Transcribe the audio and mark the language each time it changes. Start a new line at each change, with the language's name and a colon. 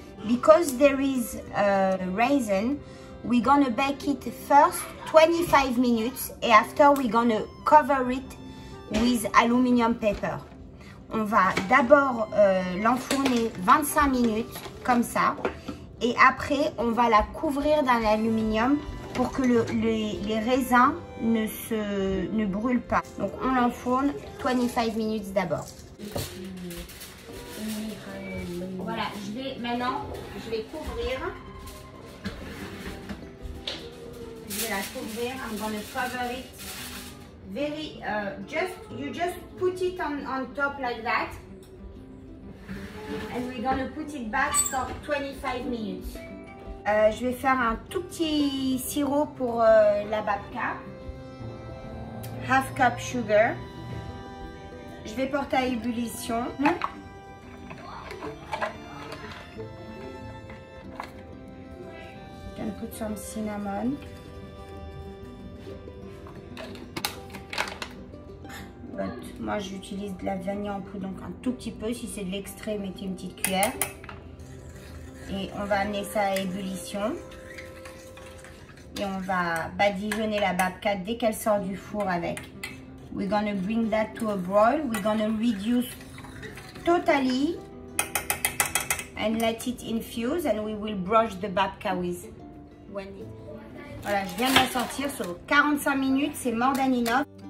English: Because there is a raisin, we're gonna bake it first 25 minutes et after we're gonna cover it with aluminium paper.
French: On va d'abord l'enfourner 25 minutes comme ça et après on va la couvrir d'un aluminium pour que les raisins ne brûlent pas. Donc on l'enfourne 25 minutes d'abord. Voilà, je vais couvrir. Je vais la couvrir.
English: I'm gonna cover it. Very you just put it on top like that. And we're gonna put it back for 25 minutes.
French: Je vais faire un tout petit sirop pour la babka.
English: Half cup sugar.
French: Je vais porter à ébullition.
English: Put some cinnamon.
French: But moi j'utilise de la vanille en poudre, donc un tout petit peu. Si c'est de l'extrait, mettez une petite cuillère. Et on va amener ça à ébullition. Et on va badigeonner la babka dès qu'elle sort du four avec.
English: We're gonna bring that to a broil. We're gonna reduce totally and let it infuse and we will brush the babka with.
French: Voilà, je viens de la sortir sur 45 minutes, c'est mort d'aninov.